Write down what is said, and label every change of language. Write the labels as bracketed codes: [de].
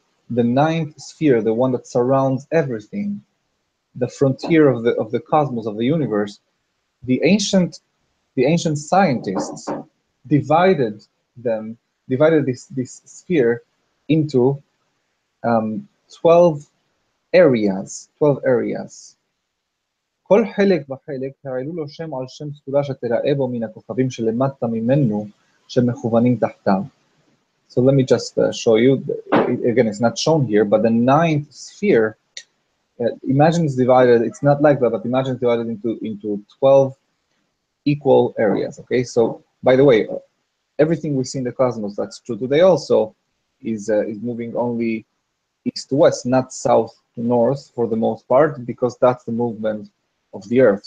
[en] The ninth sphere, the one that surrounds everything, the frontier of the cosmos, of the universe, the ancient scientists divided this sphere into 12 areas. [he] כל חלק וחלק הראו לו שם על שם סגולה שתראה בו מן הכוכבים שלמדת ממנו שמכוונים תחתיו. [en] So let me just show you, again, it's not shown here, but the ninth sphere, imagine it's divided, it's not like that, but imagine it's divided into 12 equal areas, okay? So, by the way, everything we see in the cosmos, that's true today also, is moving only east to west, not south to north for the most part, because that's the movement of the Earth.